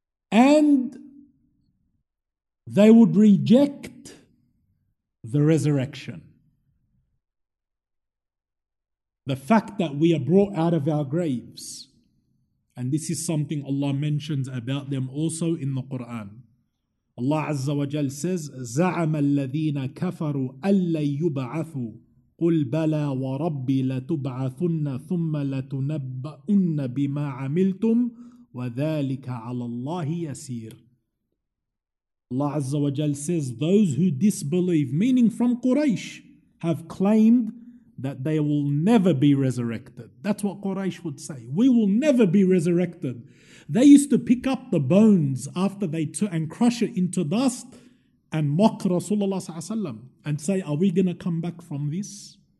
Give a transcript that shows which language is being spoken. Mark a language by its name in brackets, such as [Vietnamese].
[English] And they would reject the resurrection. The fact that we are brought out of our graves. And this is something Allah mentions about them also in the Quran. Allah Azza wa Jal says, [Arabic] زَعَمَ الَّذِينَ كَفَرُوا أَلَّا يُبْعَثُوا قُلْ بَلَا وَرَبِّي لَتُبْعَثُنَّ ثُمَّ لَتُنَبَّأُنَّ بِمَا عَمِلْتُمْ وَذَلِكَ عَلَى اللَّهِ يَسِيرٌ. [English] Allah Azza wa Jal says, those who disbelieve, meaning from Quraysh, have claimed that they will never be resurrected. That's what Quraysh would say. We will never be resurrected. They used to pick up the bones after they took and crush it into dust and mock Rasulullah ﷺ and say, are we going to come back from this?